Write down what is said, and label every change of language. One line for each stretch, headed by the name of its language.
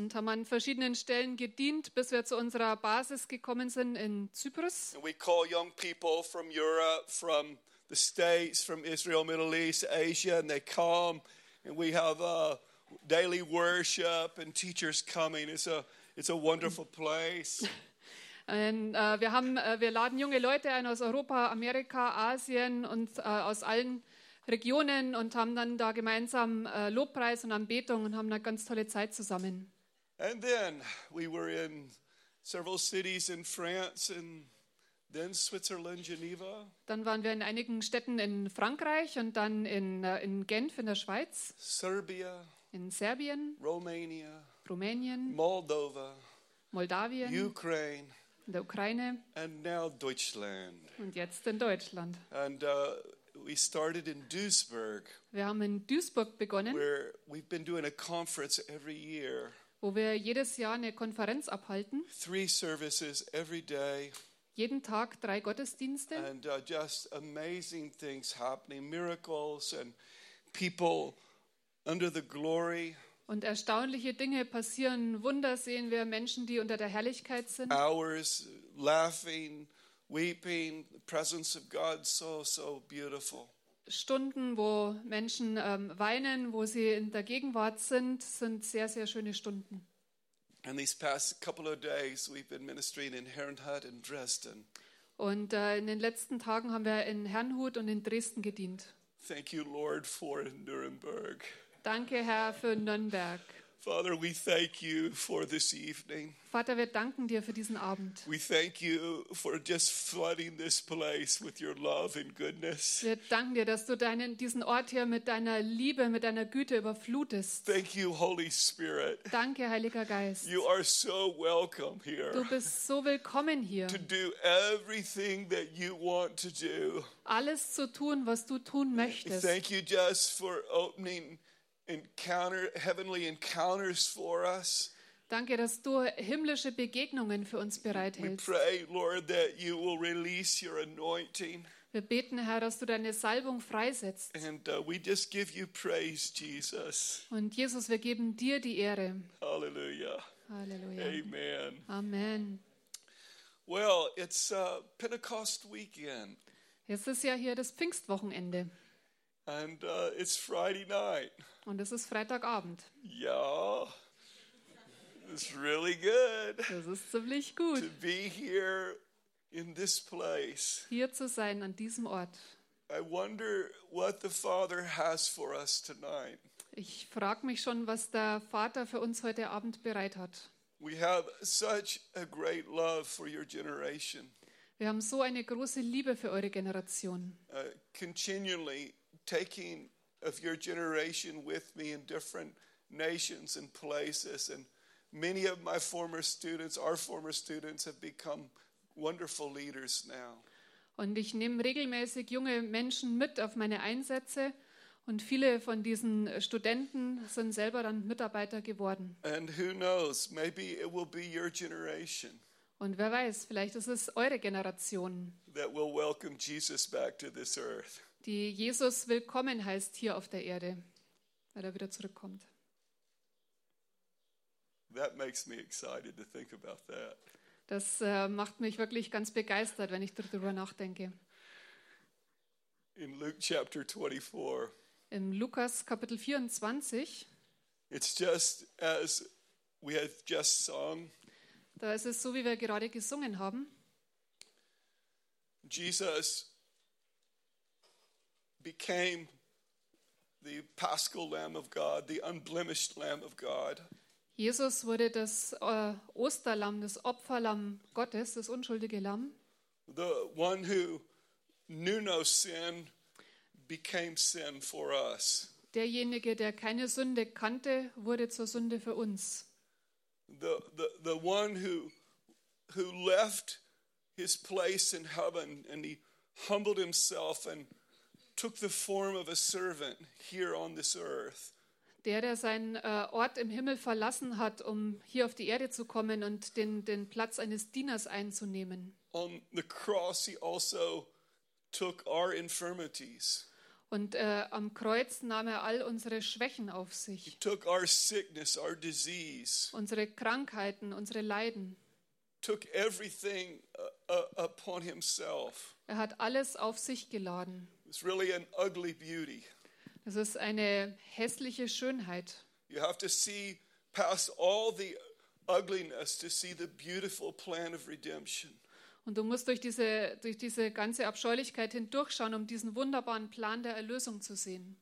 German: Und haben an verschiedenen Stellen gedient, bis wir zu unserer Basis gekommen sind in Zypern.
English: And we call young people from Europe, from the States, from Israel, Middle East, Asia, and they come, and we have daily worship and teachers coming. It's a wonderful place.
German: Und, wir laden junge Leute ein aus Europa, Amerika, Asien und aus allen Regionen und haben dann da gemeinsam Lobpreis und Anbetung und haben eine ganz tolle Zeit zusammen.
English: And then we were in several cities in France and then Switzerland, Geneva.
German: Dann waren wir in einigen Städten in Frankreich und dann in Genf in der Schweiz.
English: Serbia.
German: In Serbien.
English: Romania.
German: Rumänien.
English: Moldova.
German: Moldawien.
English: Ukraine.
German: In der Ukraine.
English: And now Deutschland.
German: Und jetzt in Deutschland.
English: And we started in Duisburg.
German: Wir haben in Duisburg begonnen.
English: Where we've been doing a conference every year.
German: Wo wir jedes Jahr eine Konferenz abhalten.
English: 3 services every day.
German: Jeden Tag 3 Gottesdienste.
English: And just amazing things happening, miracles and people under the glory.
German: Und erstaunliche Dinge passieren, Wunder sehen wir, Menschen, die unter der Herrlichkeit sind.
English: Hours laughing, weeping, the presence of God, so, so beautiful.
German: Stunden, wo Menschen weinen, wo sie in der Gegenwart sind, sind sehr, sehr schöne Stunden.
English: And these past couple of days we've been ministering in Herrnhut in Dresden.
German: Und in den letzten Tagen haben wir in Herrnhut und in Dresden gedient.
English: Thank you, Lord, for Nuremberg.
German: Danke, Herr, für Nürnberg.
English: Father, we thank you for this evening.
German: Vater, wir danken dir für diesen Abend.
English: We thank you for just flooding this place with your love and goodness.
German: Wir danken dir, dass du diesen Ort hier mit deiner Liebe, mit deiner Güte überflutest.
English: Thank you, Holy Spirit.
German: Danke, Heiliger Geist.
English: You are so welcome here.
German: Du bist so willkommen hier.
English: To do everything that you want to do.
German: Alles zu tun, was du tun möchtest.
English: Thank you just for opening encounter, heavenly encounters for us.
German: Danke, dass du himmlische Begegnungen für uns bereithältst.
English: We pray, Lord, that you will release your anointing.
German: Wir beten, Herr, dass du deine Salbung freisetzt.
English: And we just give you praise, Jesus.
German: Und Jesus, wir geben dir die Ehre. Hallelujah. Hallelujah. Amen. Amen.
English: Well, it's Pentecost weekend.
German: Es ist ja hier das Pfingstwochenende.
English: And it's Friday night.
German: Und es ist Freitagabend.
English: Ja, it's really good.
German: Das ist ziemlich gut.
English: To be here in this place.
German: Hier zu sein an diesem Ort.
English: I wonder what the Father has for us tonight.
German: Ich frage mich schon, was der Vater für uns heute Abend bereit hat.
English: We have such a great love for your generation.
German: Wir haben so eine große Liebe für eure Generation.
English: Continually taking of your generation with me in different nations and places, and many of my former students, our former students, have become wonderful leaders now.
German: Und ich nehme regelmäßig junge Menschen mit auf meine Einsätze, und viele von diesen Studenten sind selber dann Mitarbeiter geworden.
English: And who knows, maybe it will be your generation.
German: Und wer weiß, vielleicht ist es eure Generation.
English: That will welcome Jesus back to this earth.
German: Die Jesus willkommen heißt hier auf der Erde, weil er wieder zurückkommt.
English: That makes me excited to think about that.
German: Das macht mich wirklich ganz begeistert, wenn ich darüber nachdenke.
English: In Luke chapter 24.
German: Im Lukas Kapitel 24.
English: It's just as we have just sung.
German: Da ist es so, wie wir gerade gesungen haben.
English: Jesus became the Paschal Lamb of God, the unblemished Lamb of God.
German: Jesus wurde das Osterlamm, das Opferlamm Gottes, das unschuldige Lamm.
English: The one who knew no sin, became sin for us.
German: Derjenige, der keine Sünde kannte, wurde zur Sünde für uns.
English: The one who left his place in heaven and he humbled himself and took the form of a servant here on this earth.
German: Der seinen Ort im Himmel verlassen hat, um hier auf die Erde zu kommen und den Platz eines Dieners einzunehmen.
English: On the cross he also took our infirmities.
German: Und am Kreuz nahm er all unsere Schwächen auf sich.
English: He took our sickness, our disease.
German: Unsere Krankheiten, unsere Leiden.
English: Took everything upon himself.
German: Er hat alles auf sich geladen.
English: It's really an ugly beauty.
German: Es ist eine hässliche Schönheit.
English: You have to see past all the ugliness to see the beautiful plan of redemption.
German: Und du musst durch diese ganze Abscheulichkeit hindurchschauen, um diesen wunderbaren Plan der Erlösung zu sehen.